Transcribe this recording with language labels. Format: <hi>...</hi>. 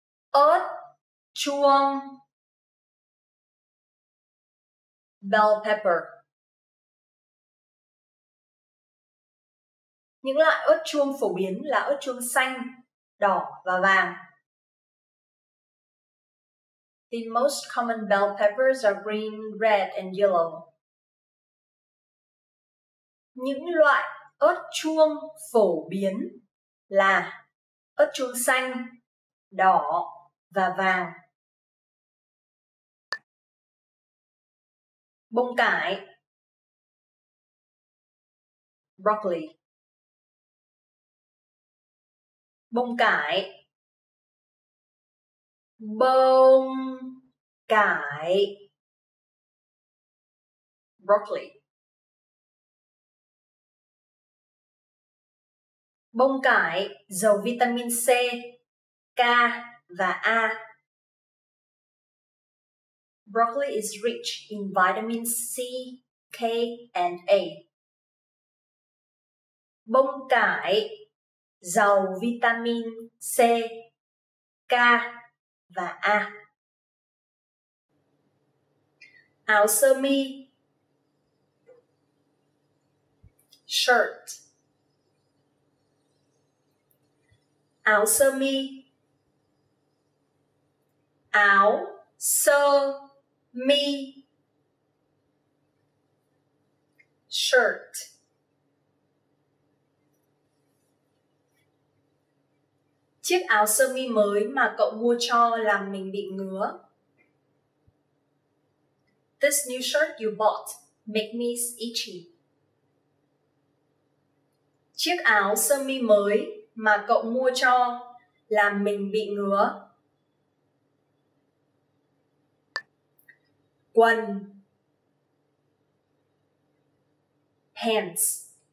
<vi>Ớt chuông.</vi> <en>Bell pepper.</en> <vi>Những loại ớt chuông phổ biến là ớt chuông xanh, đỏ và vàng.</vi> <en>The most common bell peppers are green, red and yellow.</en> <vi>Những loại ớt chuông phổ biến là ớt chuông xanh, đỏ và vàng. Bông cải.</vi> <en>Broccoli.</en> <vi>Bông cải. Bông cải.</vi> <en>Broccoli.</en> <vi>Bông cải giàu vitamin C, K và A.</vi> <en>Broccoli is rich in vitamins C, K and A.</en> <vi>Bông cải giàu vitamin C, K và A. Áo sơ mi.</vi> <en>Shirt.</en> <vi>Áo sơ mi. Áo sơ mi.</vi> <en>Shirt.</en> <vi>Chiếc áo sơ mi mới mà cậu mua cho làm mình bị ngứa.</vi> <en>This new shirt you bought make me itchy.</en> <vi>Chiếc áo sơ mi mới mà cậu mua cho làm mình bị ngứa. Quần.</vi> <en>Pants.</en>